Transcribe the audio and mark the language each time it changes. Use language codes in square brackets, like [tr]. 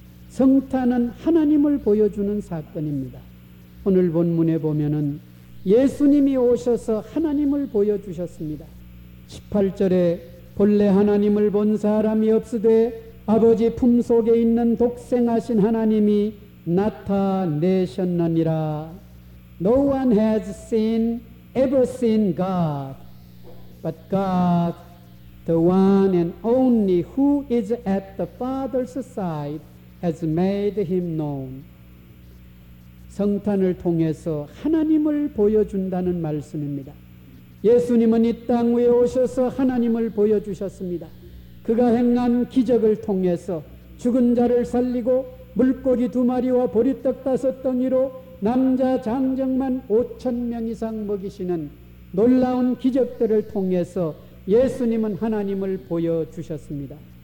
[ko] 성탄은 하나님을 보여주는 사건입니다. 오늘 본문에 보면은 예수님이 오셔서 하나님을 보여주셨습니다. 18절에 본래 하나님을 본 사람이 없으되 아버지 품속에 있는 독생하신 하나님이 나타내셨느니라. [en] No one has ever seen God, but God, the one and only who is at the Father's side, has made him known. [ko] 성탄을 통해서 하나님을 보여준다는 말씀입니다. 예수님은 이 땅 위에 오셔서 하나님을 보여주셨습니다. 그가 행한 기적을 통해서 죽은 자를 살리고 물고기 두 마리와 보리떡 다섯 덩이로 남자 장정만 5천 명 이상 먹이시는 놀라운 기적들을 통해서 예수님은 하나님을 보여주셨습니다.